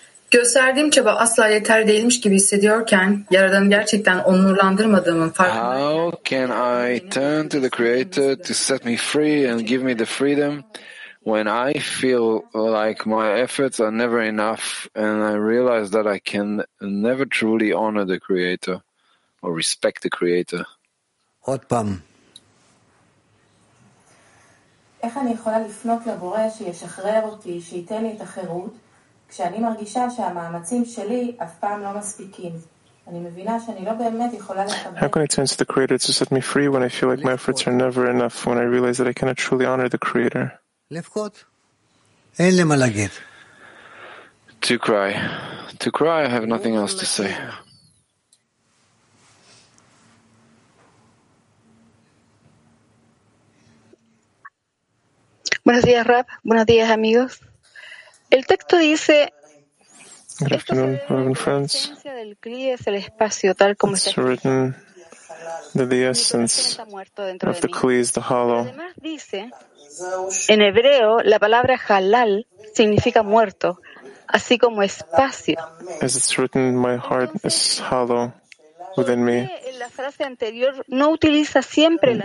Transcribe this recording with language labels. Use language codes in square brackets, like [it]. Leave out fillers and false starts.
[tr] Gösterdiğim çaba asla yeter değilmiş gibi hissediyorken, Yaradan'ı gerçekten onurlandırmadığımın farkında. [en] How can I turn to the Creator to set me free and give me the freedom when I feel like my efforts are never enough and I realize that I can never truly honor the Creator or respect the Creator? [he] עוד פעם. איך אני יכולה לפנות לבורא שישחרר אותי, שייתן לי את החירות, כשאני מרגישה שהמאמצים שלי אף פעם לא מספיקים? אני מבינה שאני לא באמת יכולה לקבל... [en] How can I turn to the Creator to set me free when I feel like my efforts are never enough, when I realize that I cannot truly honor the Creator? [he] לבכות. אין למה להגיד. [en] To cry. To cry, I have nothing else to say. [es] Buenos días, Rab. Buenos días, amigos. El texto dice... [en] Good afternoon, Reverend friends. It's written that the essence of the Kli is the hollow. [es] En hebreo, la palabra halal significa muerto, así como espacio. [en] As it's written, my heart is hollow within me. [es] En la frase anterior, no utiliza siempre la